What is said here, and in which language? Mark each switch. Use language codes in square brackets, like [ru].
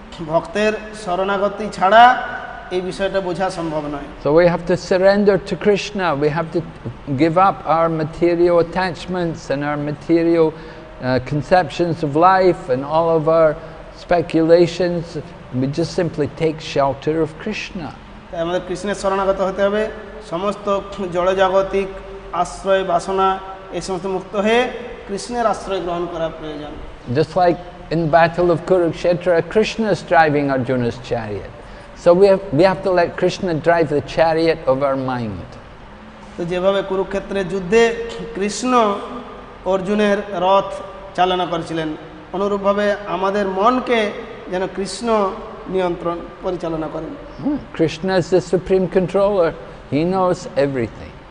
[bn] Bhokter shoronagoti chhara এই বিষয়টা বোঝা সম্ভব নয় [en] So we have to surrender to Krishna we have to give up our material attachments and our material conceptions of life and all of our speculations We just simply take shelter of Krishna. [bn] আমাদের কৃষ্ণের শরণাগত হতে হবে সমস্ত জড়জাগতিক আশ্রয় বাসনা এই সমস্ত মুক্ত হয়ে কৃষ্ণের আশ্রয় গ্রহণ করা প্রয়োজন. [en] Just like in battle of Kurukshetra, Krishna is driving Arjuna's chariot. So we have to let Krishna drive the chariot of our mind. [bn] তো যেভাবে কুরুক্ষেত্রের যুদ্ধে কৃষ্ণ অর্জুনের রথ চালনা করেছিলেন অনুরূপভাবে আমাদের মনকে যেন কৃষ্ণ নিয়ন্ত্রণ পরিচালনা করেন. [en] Krishna is the supreme controller, he knows everything.